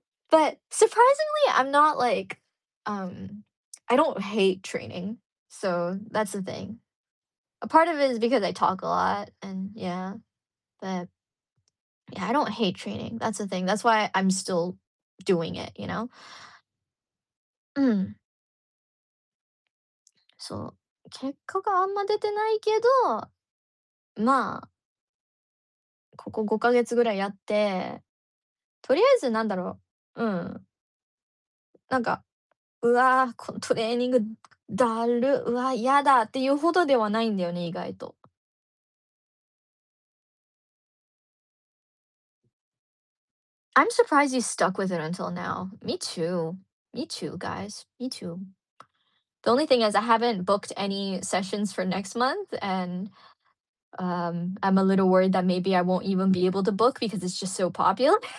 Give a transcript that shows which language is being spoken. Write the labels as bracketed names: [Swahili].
[English] But surprisingly, I'm not like, I don't hate training. So that's the thing. A part of it is because I talk a lot, and yeah, but yeah, I don't hate training. That's the thing. That's why I'm still doing it, you know? [Japanese] そう。結果があんま出てないけど、まあ、ここ5ヶ月ぐらいやって、とりあえずなんだろう。なんか、うわー、このトレーニングだる、うわー、やだっていうほどではないんだよね、意外と。 [English] I'm surprised you stuck with it until now. Me too. Me too, guys. Me too. The only thing is, I haven't booked any sessions for next month, and I'm a little worried that maybe I won't even be able to book because it's just so popular.